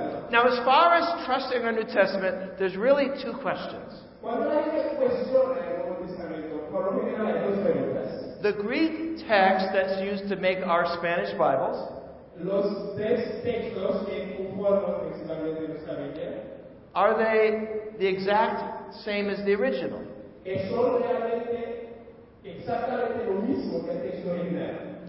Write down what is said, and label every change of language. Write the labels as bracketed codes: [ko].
[en] Now, as far as trusting our New Testament, there's really two questions. The Greek text that's used to make our Spanish Bibles, [es] los tres textos que conforman el nuestra Biblia, [en] are they the exact same as the original? [es] ¿Son realmente exactamente lo mismo que el texto original?